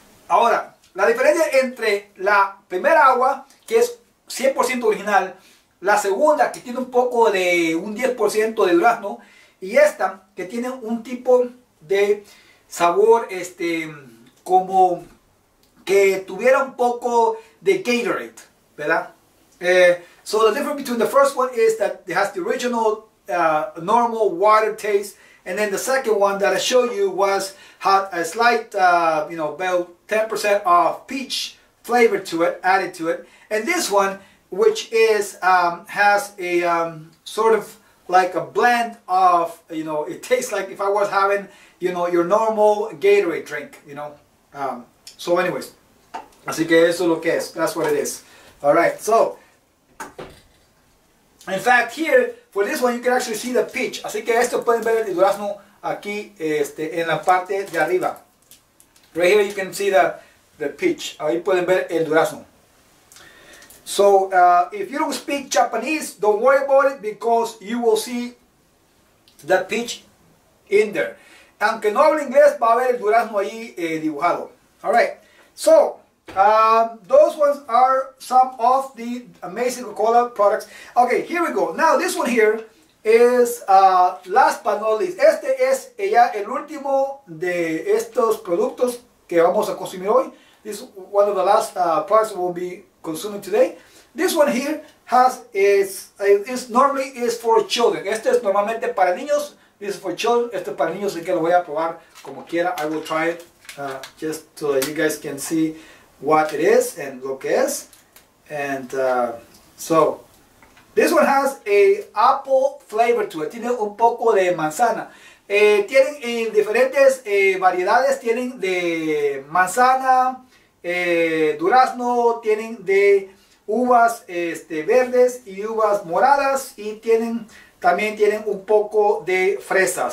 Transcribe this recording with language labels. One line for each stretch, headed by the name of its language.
Spanish: Ahora, la diferencia entre la primera agua, que es 100% original, la segunda que tiene un poco de un 10% de durazno y esta que tiene un tipo de sabor como que tuviera un poco de Gatorade, ¿verdad?
English: So the difference between the first one is that it has the original normal water taste, and then the second one that I showed you was had a slight, you know, about 10% of peach flavor to it, added to it, and this one, which is has a sort of like a blend of, you know, it tastes like if I was having, you know, your normal Gatorade drink, you know. So anyways,
Spanish: así que eso lo que es,
English: that's what it is. All right, so in fact here for this one you can actually see the peach.
Spanish: Así que esto pueden ver el durazno aquí, este, en la parte de arriba.
English: Right here you can see the peach.
Spanish: Ahí pueden ver el durazno.
English: So if you don't speak Japanese, don't worry about it, because you will see the peach in there.
Spanish: Aunque no hable inglés, va a ver el durazno ahí dibujado.
English: All right. So those ones are some of the amazing Coca-Cola products. Okay, here we go. Now this one here is last but not least.
Spanish: Este es ya el último de estos productos que vamos a consumir hoy.
English: This is one of the last products we'll be consuming today. This one here has is normally is for children.
Spanish: Este es normalmente para niños.
English: This is for children.
Spanish: Este para niños, así que lo voy a probar como quiera.
English: I will try it just so that you guys can see what it is and
Spanish: lo que es.
English: And so this one has a apple flavor to it.
Spanish: Tiene un poco de manzana. Tienen en diferentes variedades. Tienen de manzana, durazno, tienen de uvas verdes y uvas moradas, y tienen también tienen un poco de fresas.